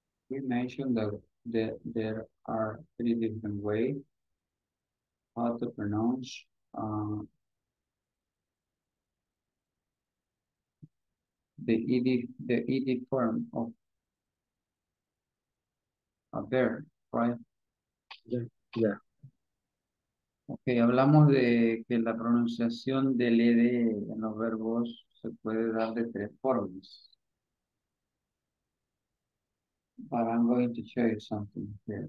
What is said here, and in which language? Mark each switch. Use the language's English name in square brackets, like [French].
[English] We mentioned that there are three different ways how to pronounce the ed form of a verb, right? Yeah. [Spanish] Okay, hablamos de que la pronunciación del ed en los verbos se puede dar de tres formas. [English] But I'm going to show you something here.